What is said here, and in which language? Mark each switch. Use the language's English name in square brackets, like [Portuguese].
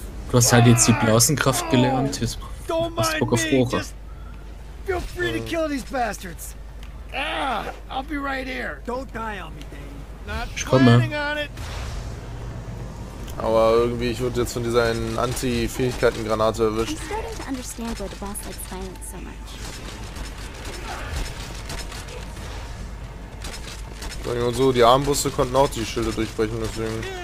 [German] Du hast halt jetzt die Blasenkraft gelernt, jetzt hast Bock auf Rohre. [English] Feel free to kill these bastards. I'll be right here. Don't die on me, Dane. [German] Ich komme. Aber irgendwie, ich wurde jetzt von dieser Anti-Fähigkeiten-Granate erwischt. [English] I'm starting to understand why the boss likes silence so much. [German] Sag ich mal so, die Armbrüste konnten auch die Schilde durchbrechen, deswegen.